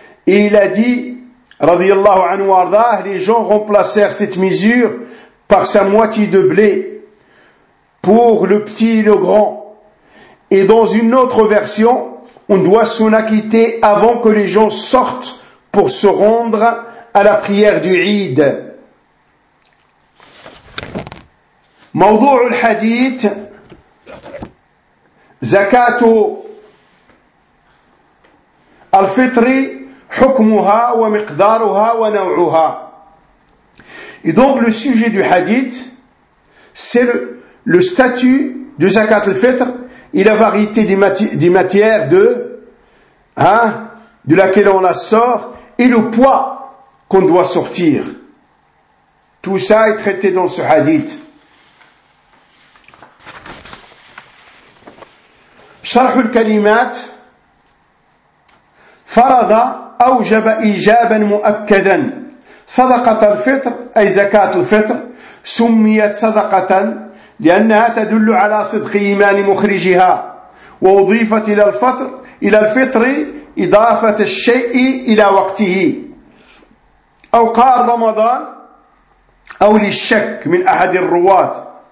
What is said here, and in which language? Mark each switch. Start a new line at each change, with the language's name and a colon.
French: Et il a dit, radiyallahu anhu arda, les gens remplacèrent cette mesure par sa moitié de blé pour le petit et le grand. Et dans une autre version, on doit s'en acquitter avant que les gens sortent pour se rendre à la prière du Eid.
Arabic: موضوع الحديث زكاة الفطر حكمها ومقدارها ونوعها.
French: Et donc le sujet du hadith, c'est le statut de Zakat al-Fitr et la variété des matières de laquelle on la sort et le poids qu'on doit sortir. Tout ça est traité dans ce hadith.
Arabic: شرح الكلمات فرض أوجب إيجابا مؤكدا صدقة الفطر أي زكاة الفطر سميت صدقة لأنها تدل على صدق إيمان مخرجها وأضيفت إلى الفطر إلى الفطر إضافة الشيء إلى وقته أو قال رمضان أو للشك من أحد الرواة